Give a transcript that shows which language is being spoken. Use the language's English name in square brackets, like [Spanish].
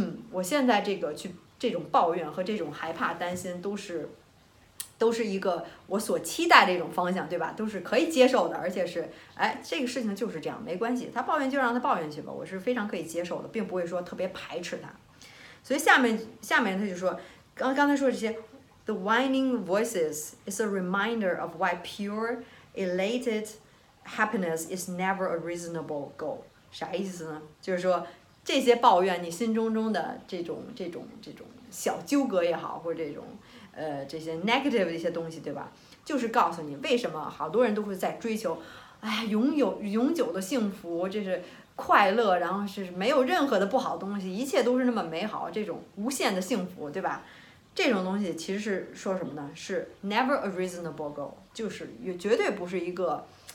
[Chinese] 我现在这个去这种抱怨和这种害怕担心都是一个我所期待的一种方向对吧，都是可以接受的，而且是哎，这个事情就是这样没关系，他抱怨就让他抱怨去吧，我是非常可以接受的，并不会说特别排斥他。所以下面他就说刚才说这些 [English] The whining voices is a reminder of why pure elated happiness is never a reasonable goal. [Chinese] 啥意思呢？就是说这些抱怨你心中中的这种小纠葛也好，或者这些 negative 的一些东西对吧，就是告诉你为什么好多人都会在追求哎呀永久的幸福，这是快乐，然后是没有任何的不好的东西，一切都是那么美好，这种无限的幸福对吧，这种东西其实是说什么呢，是 [English] never a reasonable goal， [Chinese] 就是也绝对不是一个